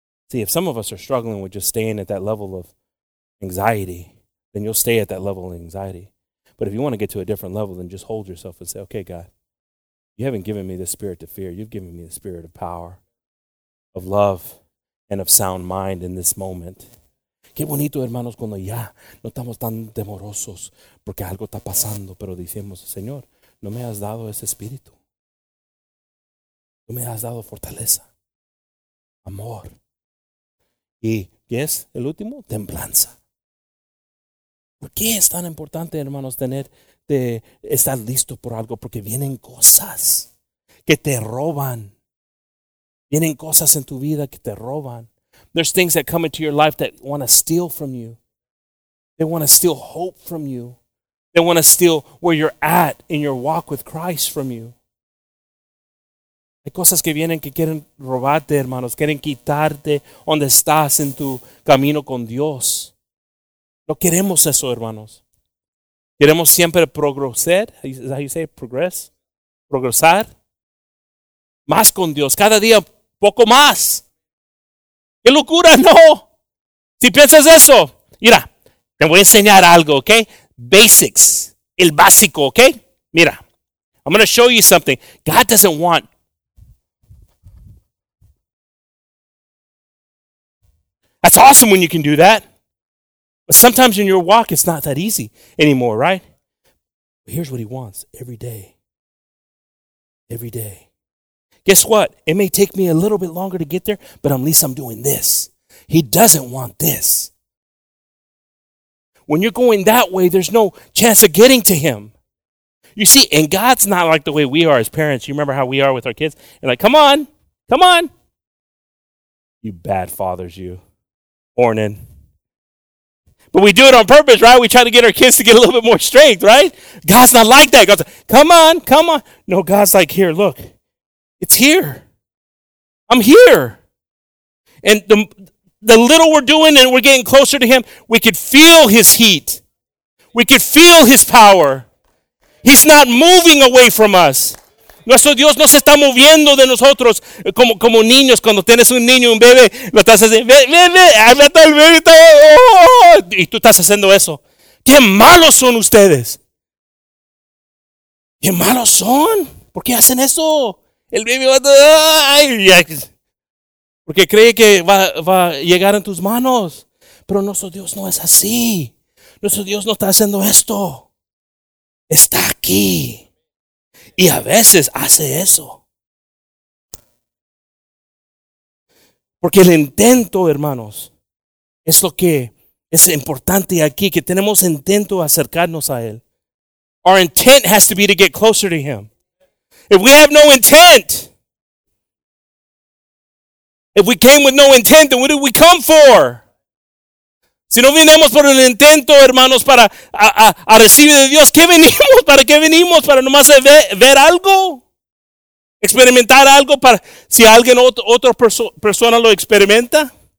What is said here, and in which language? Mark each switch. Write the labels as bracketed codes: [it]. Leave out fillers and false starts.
[en] See, if some of us are struggling with just staying at that level of anxiety, then you'll stay at that level of anxiety. But if you want to get to a different level, then just hold yourself and say, okay, God, you haven't given me the spirit of fear. You've given me the spirit of power, of love, and of sound mind in this moment. [es] Qué bonito, hermanos, cuando ya no estamos tan temerosos porque algo está pasando, pero decimos, Señor, no me has dado ese espíritu. No me has dado fortaleza, amor. Y, ¿qué es el último? Templanza. ¿Por qué es tan importante, hermanos, tener de estar listo por algo? Porque vienen cosas que te roban. Vienen cosas en tu vida que te roban. [en] There's things that come into your life that want to steal from you. They want to steal hope from you. They want to steal where you're at in your walk with Christ from you. [es] Hay cosas que vienen que quieren robarte, hermanos. Quieren quitarte donde estás en tu camino con Dios. No queremos eso, hermanos. Queremos siempre progresar. [en] Is that how you say it? Progress? [es] Progresar. Más con Dios. Cada día poco más. ¡Qué locura, no! Si piensas eso, mira, te voy a enseñar algo, ¿ok? [en] Basics, [es] el básico, [en] okay? Mira, I'm going to show you something. God doesn't want that's awesome when you can do that. But sometimes in your walk, it's not that easy anymore, right? But here's what he wants every day. Every day. Guess what? It may take me a little bit longer to get there, but at least I'm doing this. He doesn't want this. When you're going that way, there's no chance of getting to him. You see, and God's not like the way we are as parents. You remember how we are with our kids? You're like, come on, come on. You bad fathers, you. Ornan. But we do it on purpose, right? We try to get our kids to get a little bit more strength, right? God's not like that. God's like, come on, come on. No, God's like, here, look. It's here. I'm here. And the little we're doing and we're getting closer to him, we could feel his heat. We could feel his power. He's not moving away from us. [es] Nuestro Dios no se está moviendo de nosotros como niños. Cuando tienes un niño, un bebé, lo estás haciendo, ven, ven, ven, ahí está el bebé. Y tú estás haciendo eso. ¡Qué malos son ustedes! ¡Qué malos son! ¿Por qué hacen eso? El bebé va a estar... Porque cree que va a llegar en tus manos. Pero nuestro Dios no es así. Nuestro Dios no está haciendo esto. Está aquí. Y a veces hace eso. Porque el intento, hermanos, es lo que es importante aquí, que tenemos intento de acercarnos a Él. [en] Our intent has to be to get closer to Him. If we have no intent... If we came with no intent, then what did we come for? [es] Si no vinimos por el intento, hermanos, para a recibir de Dios, ¿qué venimos? Para nomás ver algo, experimentar algo, para si alguien otra persona lo experimenta.